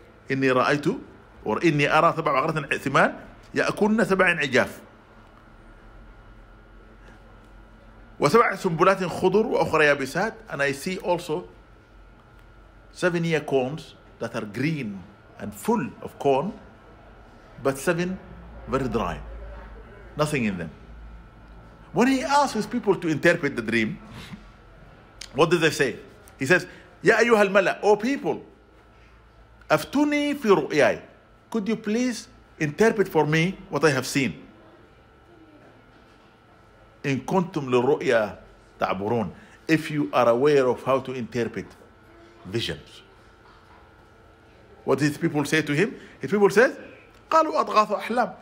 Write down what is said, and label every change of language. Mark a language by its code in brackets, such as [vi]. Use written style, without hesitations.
[ar] إِنِّي رَأَيْتُ or إني أرى سبع بقرات سمان يأكلن سبع عجاف وسبع سنبلات خضر وأخرى يابسات. [en] And I see also 7 ear corns that are green and full of corn, but 7 very dry, nothing in them. When he asks his people to interpret the dream, what did they say? He says, [ar] يا أيها الملأ, [en] O people, [ar] أفتوني في رؤياي. [en] Could you please interpret for me what I have seen? [ar] إِن كُنْتُمْ لِلرُّؤْيَا تَعْبُرُونَ. [en] If you are aware of how to interpret visions. What did people say to him? His people said, [ar] قَالُوا أَضْغَاثُ أَحْلَامٍ.